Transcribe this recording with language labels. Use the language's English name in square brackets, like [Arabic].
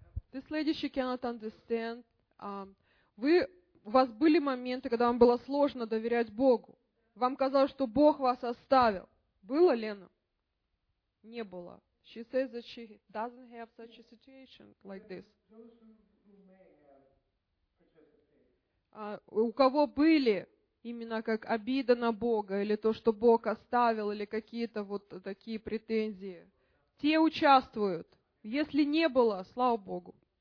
[English] This lady, she cannot understand. [Russian] У вас были моменты, когда вам было сложно доверять Богу. Вам казалось, что Бог вас оставил. Было, Лена? Не было. [English] She says that she doesn't have such a situation like this. [Russian] У кого были именно как обида на Бога, или то, что Бог оставил, или какие-то вот такие претензии, те участвуют. Если не было, слава Богу.